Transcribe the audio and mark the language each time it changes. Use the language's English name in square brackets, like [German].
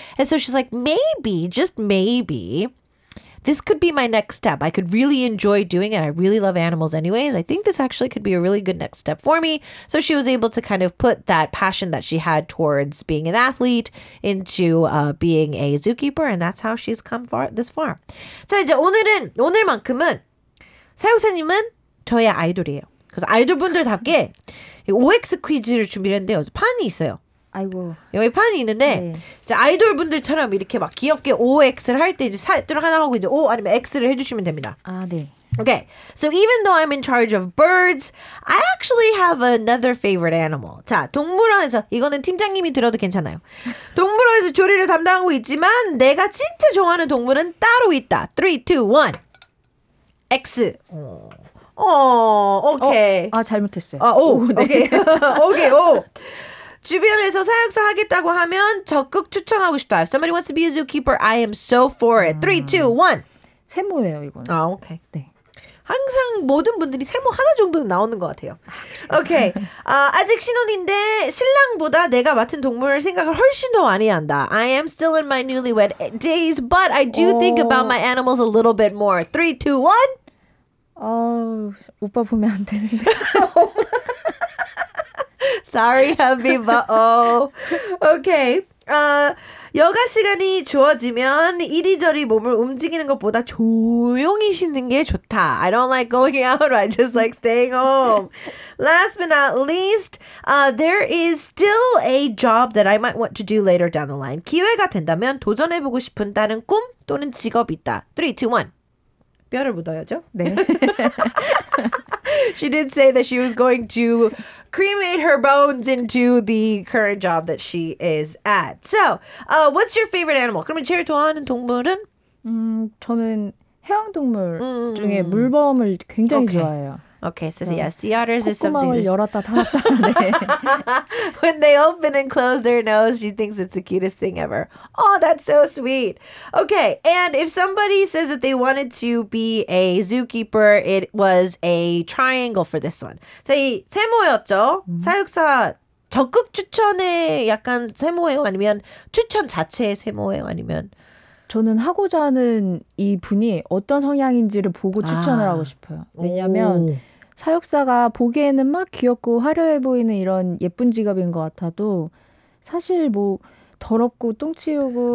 [English] And so she's like, maybe, just maybe, this could be my next step. I could really enjoy doing it. I really love animals anyways. I think this actually could be a really good next step for me. So she was able to kind of put that passion that she had towards being an athlete into being a zookeeper. And that's how she's come far this far. [Korean] 자, 이제 오늘은, 오늘만큼은 사육사님은 저의 아이돌이에요. 그래서 아이돌분들답게 OX 퀴즈를 준비했는데요. 판이 있어요. 아이고. 여기 판이 있는데 네. 자, 아이돌분들처럼 이렇게 막 귀엽게 OX를 할 때 이제 살짝 하나 하고 이제 O 아니면 X를 해주시면 됩니다. 아, 네. [English] Okay, so even though I'm in charge of birds, I actually have another favorite animal. [Korean] 자, 동물원에서, 이거는 팀장님이 들어도 괜찮아요. 동물원에서 조리를 담당하고 있지만, 내가 진짜 좋아하는 동물은 따로 있다. 3, 2, 1. X. 어, 오케이. 아, 잘못했어요. 아, 오. 오 네. 오케이. 오케이, 오. 주변에서 사육사 하겠다고 하면 적극 추천하고 싶다. [English] If somebody wants to be a zookeeper, I am so for it. 3, 2, 1. [Korean] 세모예요, 이거는. 아, 오케이. 네. 항상 모든 분들이 세모 하나 정도는 나오는 것 같아요. 오케이. 아직 신혼인데 신랑보다 내가 맡은 동물 생각을 훨씬 더 많이 한다. [English] I am still in my newlywed days, but I do think about my animals a little bit more. 3, 2, 1. [Korean] 어, 오빠 보면 안 되는데. [English] Sorry, Habiba. Okay. [Korean] 여가 시간이 주어지면 이리저리 몸을 움직이는 것보다 조용히 쉬는 게 좋다. [English] I don't like going out. I just like staying home. Last but not least, there is still a job that I might want to do later down the line. [Korean] 기회가 된다면 도전해보고 싶은 다른 꿈 또는 직업이 있다. 3, 2, 1. 뼈를 묻어야죠. 네. [English] She did say that she was going to cremate her bones into the current job that she is at. So, what's your favorite animal? [Korean] 그러면 제일 좋아하는 동물은? 저는 해양동물 중에 물범을 굉장히 okay. 좋아해요. [English] Okay, so yeah, sea otters is something. [Korean] 콧구멍을 열었다 닫았다. 네. [English] When they open and close their nose, she thinks it's the cutest thing ever. Oh, that's so sweet. Okay, and if somebody says that they wanted to be a zookeeper, it was a triangle for this one. [Korean] 자, 이 세모였죠? 사육사 적극 추천의 약간 세모예요? 아니면 추천 자체의 세모예요? 아니면? 저는 하고자 하는 이 분이 어떤 성향인지를 보고 추천을 하고 싶어요. 왜냐하면 사육사가 보기에는 막 귀엽고 화려해 보이는 이런 예쁜 직업인 것 같아도 사실 뭐 더럽고 똥 치우고